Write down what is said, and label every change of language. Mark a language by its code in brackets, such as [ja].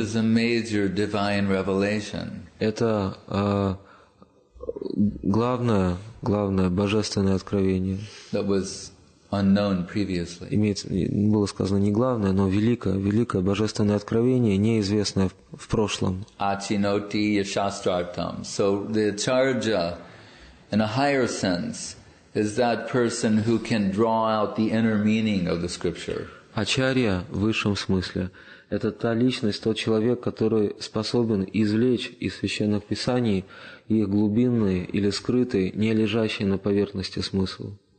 [en] This is a major divine revelation. [ru] Это главное божественное откровение. [en] That was unknown previously. [ru] Было сказано не главное, но великое божественное откровение, неизвестное в прошлом. [sa] Ачиноти яшастартам. [en] So the charja, in a higher sense, is that person who can draw out the inner meaning of the scripture. [ru] Ачарья в высшем смысле — это та личность, тот человек, который способен извлечь из священных писаний их глубинный или скрытый, не лежащий на поверхности смысл.